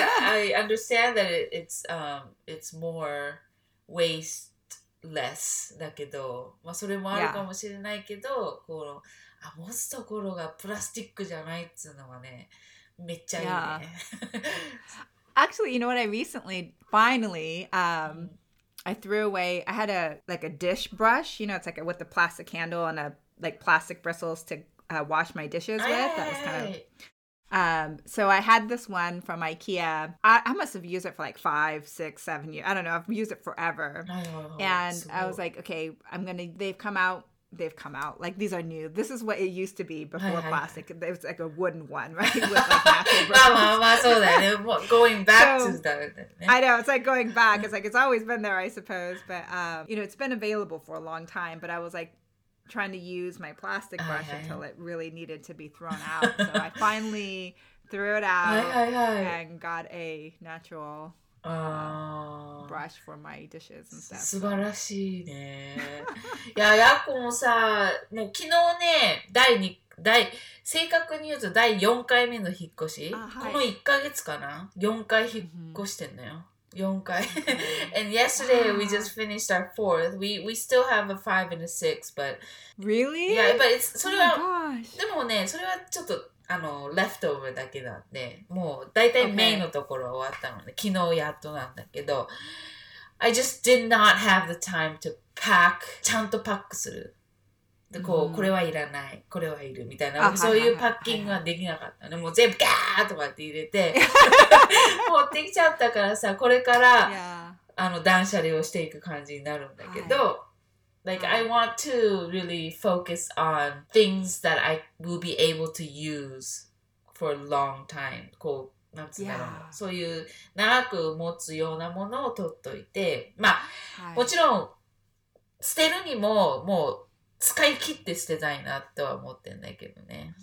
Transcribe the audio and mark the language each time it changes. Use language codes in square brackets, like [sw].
[en] I understand that it's more. Waste less [ja] だけど、まあそれもあるかもしれないけど、このあ持つところがプラスチックじゃないっつうのはね、めっちゃいいね。 [en] Actually, you know what? I recently, finally, I threw away. I had a dish brush. You know, it's like with the plastic handle and a like plastic bristles to wash my dishes with. That was kind of. So I had this one from IKEA. I must have used it for like 5, 6, 7 years. I don't know. I've used it forever. And I was like, okay, they've come out they've come out. Like, these are new. This is what it used to be before plastic. It was like a wooden one, right? With, like, natural bristles. [ja] まあまあまあ、そうだね。 [en] Going back to that. I know, it's like going back. It's like, it's always been there, I suppose. But, you know, it's been available for a long time. But I was like trying to use my plastic brush until it really needed to be thrown out. So I finally threw it out and got a natural ブラシ for my dishes and stuff. [ja] 素晴らしいね。いや、ヤコもさ、もう昨日ね、第正確に言うと第4回目の引っ越し、この1ヶ月かな、4回引っ越してんのよ。 4回。 [en] And yesterday we just finished our fourth. We still have a five and a six, but really? Yeah, but it's [ja] それは、 [en] oh、 [ja] でもね、それはちょっとレフトオーブだけなんで、もう大体メインのところ終わったので、 [en] okay. [ja] 昨日やっとなんだけど、 [en] I just did not have the time to pack、 [ja] ちゃんとパックする。で、こう、mm-hmm. これはいらない、これはいるみたいな、そういうパッキングはできなかったので、もう全部ガーッとかって入れて、持ってきちゃったからさ、これから、 [en] yeah. [ja] 断捨離をしていく感じになるんだけど、 [en] Like, I want to really focus on things that I will be able to use for a long time. [ja] こう、なんつうんだろう。そういう長く持つようなものを取っといて。まあ、もちろん、捨てるにも、もう、使い切って捨てたいなとは思ってんだけどね。